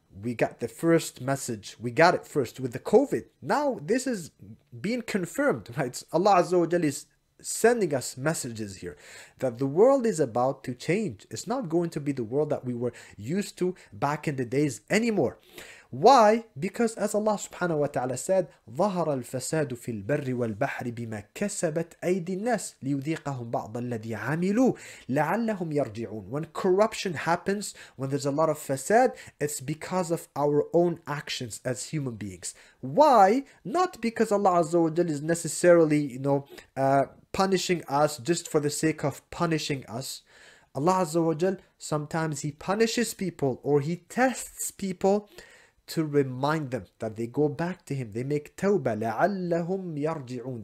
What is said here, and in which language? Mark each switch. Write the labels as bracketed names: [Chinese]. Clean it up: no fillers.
[English] we got the first message. We got it first with the COVID. Now this is being confirmed, right? Allah Azza wa Jalla is sending us messages here that the world is about to change. It's not going to be the world that we were used to back in the days anymore. Why? Because as Allah subhanahu wa ta'ala said, [Arabic] ظَهَرَ الْفَسَادُ فِي الْبَرِّ وَالْبَحْرِ بِمَا كَسَبَتْ أَيْدِ النَّاسِ لِيُذِيقَهُمْ بَعْضَ الَّذِي عَمِلُوا لَعَلَّهُمْ يَرْجِعُونَ. [English] When corruption happens, when there's a lot of fasad, it's because of our own actions as human beings. Why? Not because Allah Azza wa Jalla is necessarily, you know, punishing us just for the sake of punishing us. Allah Azza wa Jalla, sometimes He punishes people or He tests people to remind them that they go back to Him, they make tawbah, [Arabic] لَعَلَّهُمْ يَرْجِعُونَ.